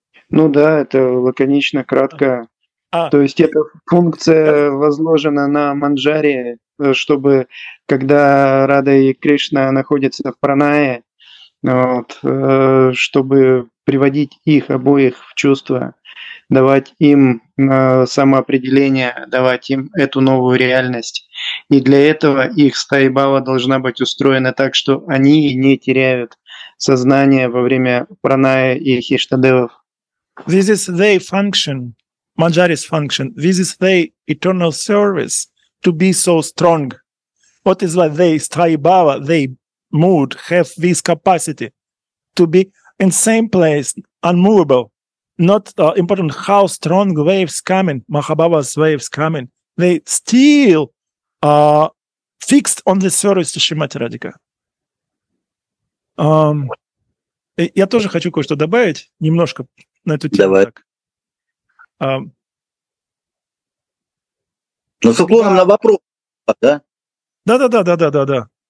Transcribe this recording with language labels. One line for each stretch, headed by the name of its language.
Russian: Ну да, это лаконично, кратко. То есть эта функция возложена на Манджари, чтобы когда Рада и Кришна находятся в пранае, вот, чтобы приводить их обоих в чувство, давать им самоопределение, давать им эту новую реальность. И для этого их стайбава должна быть устроена так, что они не теряют сознание во время праная и хиштадевов.
English: This is their function, Manjari's function. This is their eternal service to be so strong. What is why they stayibava, they mood, have this capacity to be in same place, unmovable. Not important how strong waves coming, Mahabhava's waves coming. They still fixed on the service to Shrimati Radhika.
Russian: Я тоже хочу кое-что добавить, немножко на эту тему. Давай. Но с уклоном на вопрос, да? Да.